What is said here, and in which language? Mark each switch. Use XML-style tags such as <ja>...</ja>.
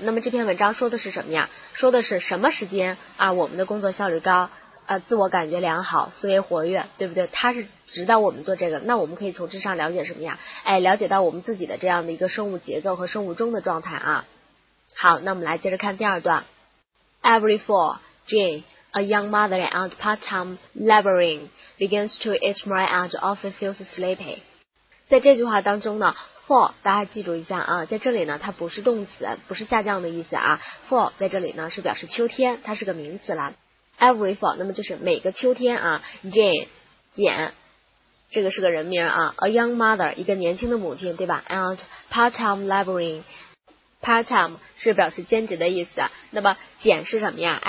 <zh>那么这篇文章说的是什么呀？说的是什么时间啊我们的工作效率高啊，自我感觉良好，思维活跃，对不对？它是指导我们做这个。那我们可以从这上了解什么呀？哎，了解到我们自己的这样的一个生物节奏和生物钟的状态啊。好，那我们来接着看第二段。</zh> <en>Every fall, Jane, a young mother and part-time laboring begins to eat more and often feels sleepy.</en> <zh>在这句话当中呢 ，fall 大家记住一下啊，在这里呢它不是动词，不是下降的意思啊 ，fall 在这里呢是表示秋天，它是个名词啦。</zh> <en>Every fall</en> <zh>那么就是每个秋天啊 ，Jane 这个是个人名啊 ，</zh> <en>a young mother</en> <zh>一个年轻的母亲对吧 ？</zh> <en>And part-time laboring，</en> <zh>part-time 是表示兼职的意思，那么简是什么呀？</zh>